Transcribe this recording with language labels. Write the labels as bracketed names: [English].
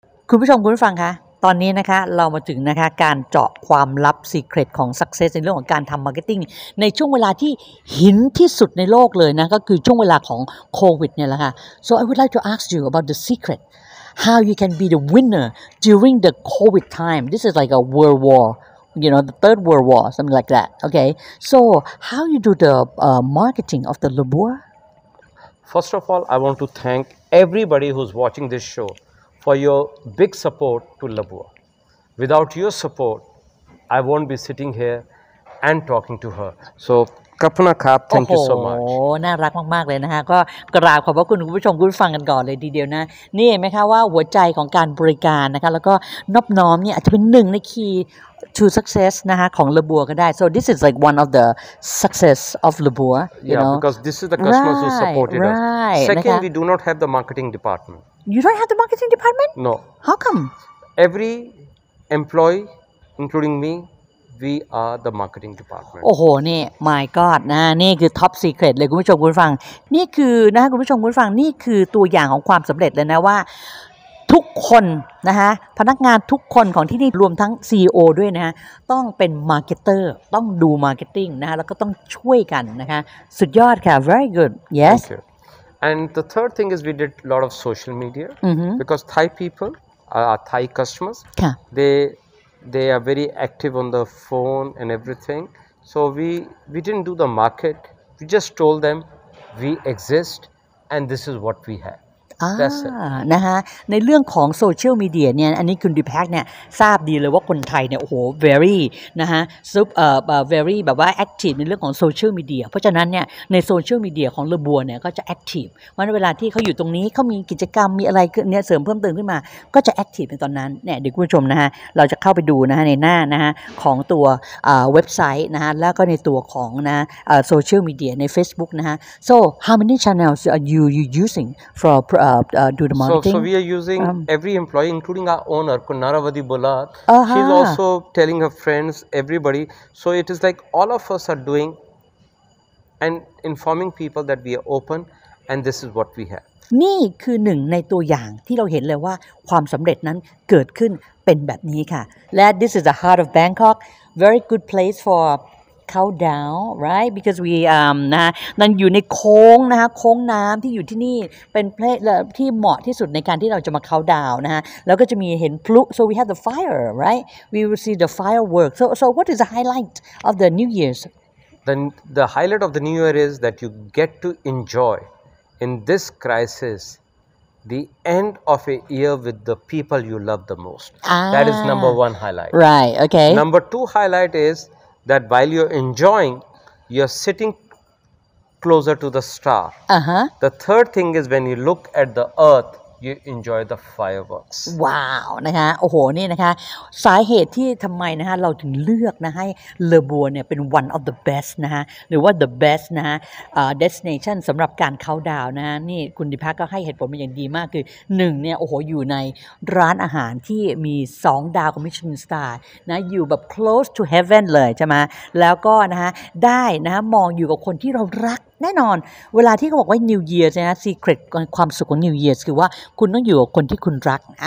[Thai] คุณผู้ชมคุณผู้ฟังคะตอนนี้นะคะเรามาถึงนะคะการเจาะความลับซีเครตของ success ในเรื่องของการทำมาร์เก็ตติ้งในช่วงเวลาที่หินที่สุดในโลกเลยนะก็คือช่วงเวลาของโควิดเนี่ยแหละค่ะ [English] So I would like to ask you about the secret how you can be the winner during the COVID time. This is like a world war, you know, the third world war, something like that. Okay. So how you do the marketing of the Le Bois? First of all, I want to thank everybody who's watching this show. For your big support to Le Bois. Without your support, I won't be sitting here and talking to her. So, Kapuna Kap, thank you so much. [Thai] น่ารักมากๆเลยนะคะก็กราบขอบพระคุณคุณผู้ชมคุณฟังกันก่อนเลยทีเดียวนะนี่เห็นไหมคะว่าหัวใจของการบริการนะคะแล้วก็นอบน้อมเนี่ยอาจจะเป็นหนึ่งใน key to success นะคะของ Le Bois ก็ได้ [English] So this is like one of the success of Le Bois. Yeah, because this is the customers who supported us. Second, we do not have the marketing department. You don't have the marketing department? No. How come? Every employee, including me, we are the marketing department. [Thai] Oh, nee, my God, na, nee, คือ top secret เลยคุณผู้ชมคุณฟังนี่คือนะคะคุณผู้ชมคุณฟังนี่คือตัวอย่างของความสำเร็จเลยนะว่าทุกคนนะคะพนักงานทุกคนของที่นี่รวมทั้ง CEO ด้วยนะฮะต้องเป็น marketer ต้องดู marketing นะแล้วก็ต้องช่วยกันนะคะสุดยอดค่ะ [English] very good yes. Thank you. And the third thing is we did a lot of social media because Thai people are Thai customers. They are very active on the phone and everything. So we didn't do the market. We just told them we exist and this is what we have. That's it. [Thai] นะฮะในเรื่องของโซเชียลมีเดียเนี่ยอันนี้คุณดิแพ็กเนี่ยทราบดีเลยว่าคนไทยเนี่ยโอ้โห very นะฮะ very แบบว่า active ในเรื่องของโซเชียลมีเดียเพราะฉะนั้นเนี่ยในโซเชียลมีเดียของเลบัวเนี่ยก็จะ active วันเวลาที่เขาอยู่ตรงนี้เขามีกิจกรรมมีอะไรเนี่ยเสริมเพิ่มเติมขึ้นมา ก็จะ active ในตอนนั้นเนี่ยเด็กผู้ชมนะฮะเราจะเข้าไปดูนะฮะในหน้านะฮะของตัวเว็บไซต์นะฮะแล้วก็ในตัวของนะโซเชียลมีเดียใน Facebook นะฮะ [English] so how many channels are you using fordo the marketing. So we are using every employee, including our owner, Kunaravadi Bolat. She's also telling her friends, everybody. So it is like all of us are doing and informing people that we are open and this is what we have. [Thai] นี่คือหนึ่งในตัวอย่างที่เราเห็นเลยว่าความสำเร็จนั้นเกิดขึ้นเป็นแบบนี้ค่ะ และ [English] this is the heart of Bangkok. Very good place for Countdown, right? Because we [Thai] นะนั่นอยู่ในโค้งนะคะโค้งน้ำที่อยู่ที่นี่เป็นเพลที่เหมาะที่สุดในการที่เราจะมา countdown นะฮะแล้วก็จะมีเห็นพลุ [English] so we have the fire, right? We will see the fireworks. So what is the highlight of the New Year's? The highlight of the New Year is that you get to enjoy in this crisis the end of a year with the people you love the most. That is number one highlight. Right. Okay. Number two highlight is. That while you're enjoying, you're sitting closer to the star. The third thing is when you look at the earth, you enjoy the fireworks. [Thai] Wow, นะคะโอ้โหนี่นะคะสาเหตุที่ทำไมนะคะเราถึงเลือกนะให้เลบัวเนี่ยเป็น one of the best นะฮะหรือว่า the best นะฮะ destination สำหรับการเข้าดาวนะฮะนี่คุณดิพัชก็ให้เหตุผลมาอย่างดีมากคือหนึ่งเนี่ยโอ้โหอยู่ใน ร้านอาหารที่มี2ดาวของมิชลินสตาร์นะอยู่แบบ [English] close to heaven [Thai] เลยใช่ไหมแล้วก็นะฮะได้นะมองอยู่กับคนที่เรารักแน่นอนเวลาที่เขาบอกว่า New Year นะ Secret ความสุขของ New Year คือว่าคุณต้องอยู่กับคนที่คุณรัก